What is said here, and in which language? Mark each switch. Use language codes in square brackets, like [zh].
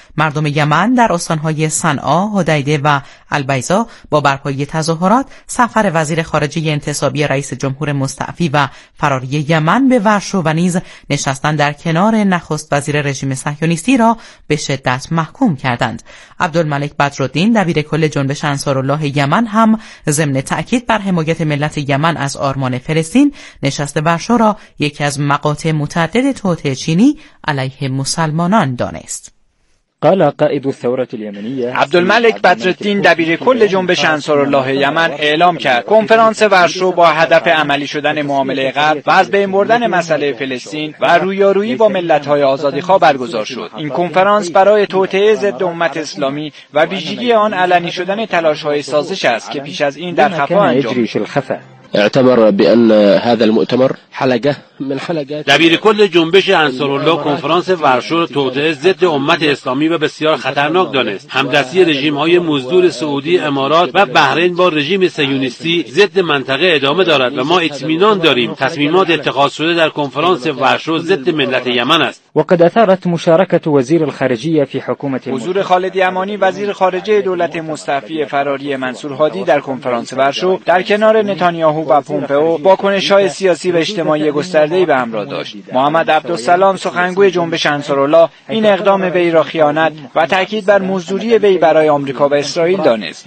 [fa] مردم یمن در استان‌های صنعا، حدیده و البیضا با برپایی تظاهرات سفر وزیر خارجه انتصابی رئیس جمهور مستعفی و فراری یمن به ورشو و نیز نشستن در کنار نخست وزیر رژیم صهیونیستی را به شدت محکوم کردند. عبدالملک بدرالدین دبیر کل جنبش انصار الله یمن هم ضمن تأکید بر حمایت ملت یمن از آرمان فلسطین نشست ورشو را یکی از مقاطع متعدد توطئه چینی علیه مسلمانان دانست. [ar] قال قائد الثورة اليمنية [fa] عبدالملک بدرالدین دبیر کل جنبش انصار الله یمن اعلام کرد کنفرانس ورشو با هدف عملی شدن معامله غرب و از بین بردن مسئله فلسطین و رویارویی با ملت‌های آزادیخواه برگزار شد. این کنفرانس برای توطئه ضد امت اسلامی و ویژگی آن علنی شدن تلاش‌های سازش است که پیش از این در خفا انجام شد. [ar] اعتبر بان هذا المؤتمر حلقه من حلقات [fa] دبیر کل جنبش انصار الله کنفرانس ورشو توطئه ضد امت اسلامی و بسیار خطرناک دانست. همدستی رژیم‌های مزدور سعودی، امارات و بحرین با رژیم صهیونیستی ضد منطقه ادامه دارد و ما اطمینان داریم تصمیمات اتخاذ شده در کنفرانس ورشو ضد ملت یمن است. [ar] وقد اثارت مشاركه وزير الخارجيه في حكومه [fa] حضور خالد یمانی وزیر خارجه دولت مستعفی فراری منصور هادی در کنفرانس ورشو در کنار نتانیاهو و پومپئو واکنش‌های سیاسی و اجتماعی گسترده‌ای به همراه داشت. محمد عبدالسلام سخنگوی جنبش انصار الله این اقدام وی را خیانت و تاکید بر مزدوری وی برای آمریکا و اسرائیل دانست.